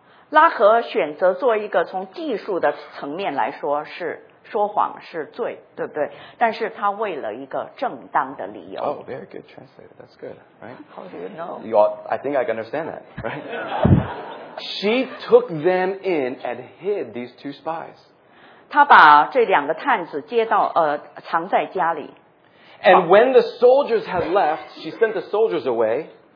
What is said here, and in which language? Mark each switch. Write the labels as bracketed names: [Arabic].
[Chinese] 拉合选择做一个从技术的层面来说是说谎是罪，对不对？但是他为了一个正当的理由。 [English] Oh, very good translator. That's good, right? How do you know? I think I can understand that, right? She took them in and hid these two spies. [Chinese] 他把这两个探子接到藏在家里。 [English] And when the soldiers had left, she sent the soldiers away.